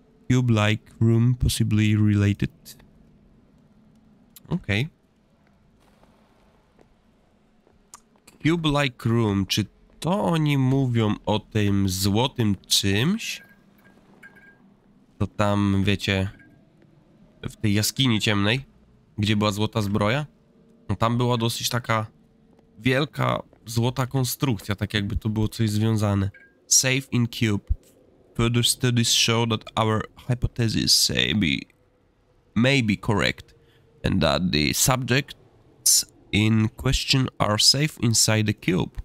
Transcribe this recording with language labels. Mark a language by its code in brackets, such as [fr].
[en] Cube-like room possibly related. [pl] Okej. Okay. [en] Cube-like room, [pl] czy to oni mówią o tym złotym czymś? To tam, wiecie... w tej jaskini ciemnej, gdzie była złota zbroja. No tam była dosyć taka wielka złota konstrukcja, tak jakby to było coś związane. [en] Safe in cube. Further studies show that our hypothesis may be correct and that the subjects in question are safe inside the cube.